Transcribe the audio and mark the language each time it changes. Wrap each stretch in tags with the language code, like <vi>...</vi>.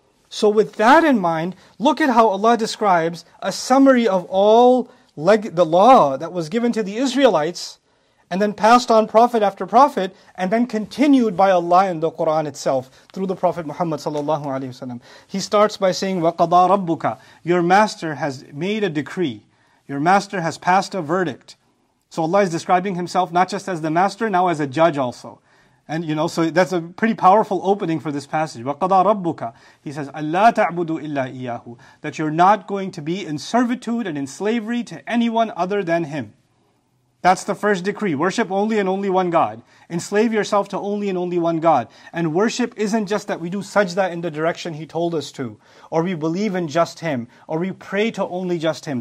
<en>So with that in mind, look at how Allah describes a summary of all the law that was given to the Israelites and then passed on prophet after prophet and then continued by Allah in the Quran itself through the Prophet Muhammad sallallahu alaihi wasallam. He starts by saying,</en> <ar>وَقَضَى رَبُّكَ.</ar> <en>Your master has made a decree. Your master has passed a verdict. So Allah is describing Himself not just as the master, now as a judge also. And you know, so that's a pretty powerful opening for this passage.</en> <ar>وَقَضَى رَبُّكَ.</ar> <en>He says,</en> <ar>أَلَّا تَعْبُدُوا إِلَّا إِيَّاهُ.</ar> <en>That you're not going to be in servitude and in slavery to anyone other than Him. That's the first decree. Worship only and only one God. Enslave yourself to only and only one God. And worship isn't just that we do sajda in the direction He told us to. Or we believe in just Him. Or we pray to only just Him.</en>